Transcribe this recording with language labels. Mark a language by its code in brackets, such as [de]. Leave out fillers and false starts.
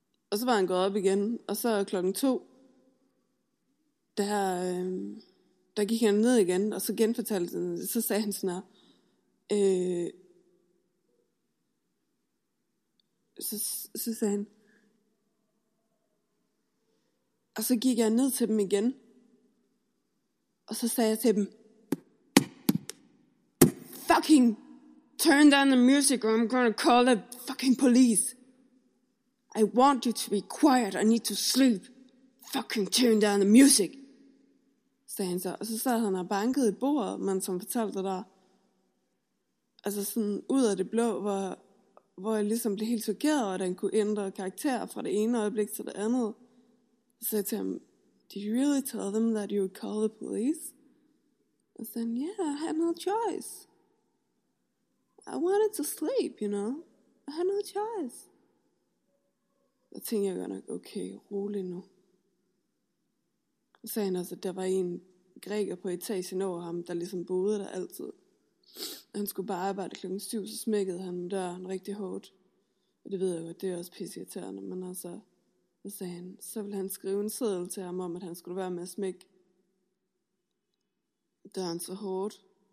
[da] Og så var han gået op igen, og så klokken 2, der gik han ned igen, og så genfortalte han, så sagde han sådan her, så sagde han, og så gik jeg ned til dem igen, og så sagde jeg til dem, [en] fucking turn down the music, or I'm gonna call the fucking police. I want you to be quiet. I need to sleep. Fucking turn down the music. [da] Sagde han så. Og så sad han og bankede i bordet, men som fortalte der. Altså sådan ud af det blå, hvor jeg ligesom blev helt chokeret, og den kunne ændre karakter fra det ene øjeblik til det andet. Så sagde jeg til ham, [en] did you really tell them that you would call the police? [da] Og så sagde han, [en] yeah, I had no choice. I wanted to sleep, you know. I had no choice. [da] Jeg tænkte, jeg gør nok, okay, rolig nu. Så sagde han også, at der var en græker på etagen over ham, der ligesom boede der altid. Han skulle bare arbejde klokken 7, så smækkede han døren rigtig hårdt. Og det ved jeg jo, det er også pisseirriterende. Men altså, så sagde han, så ville han skrive en seddel til ham om, at han skulle være med at smække døren så hårdt.